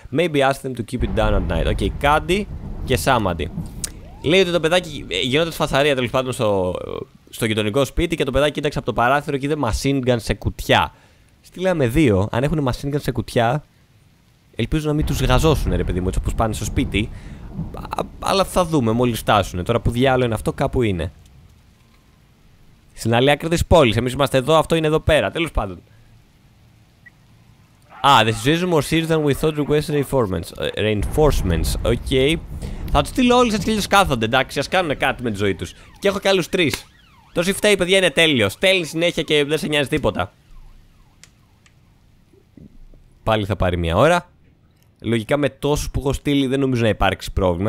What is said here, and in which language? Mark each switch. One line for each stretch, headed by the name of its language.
English: Maybe ask them to keep it down at night. Okay, Candy και Samadhi.
Greek: Λέει ότι το παιδάκι γινόταν σφασαρία τέλος πάντων στο γειτονικό σπίτι και το παιδάκι κοίταξε από το παράθυρο και είδε machine gun σε κουτιά. Στείλαμε δύο. Αν έχουν machine gun σε κουτιά, ελπίζω να μην τους γαζώσουν, ρε παιδί μου, έτσι όπως πάνε στο σπίτι. Αλλά θα δούμε μόλις φτάσουν. Τώρα που διάλογο είναι αυτό, κάπου είναι. Στην άλλη άκρη της πόλης. Εμείς είμαστε εδώ, αυτό είναι εδώ πέρα. Τέλος πάντων.
English: The situation more serious than we thought requested reinforcements. Okay.
Greek: Θα τους στείλω όλους έτσι και ίσως κάθονται, εντάξει, ας κάνουν κάτι με τη ζωή τους. Και έχω κι άλλους 3. Το shift A, παιδιά, είναι τέλειο. Στέλνει συνέχεια και δεν σε νοιάζει τίποτα. Πάλι θα πάρει μια ώρα. Λογικά με τόσους που έχω στείλει δεν νομίζω να υπάρξει πρόβλημα.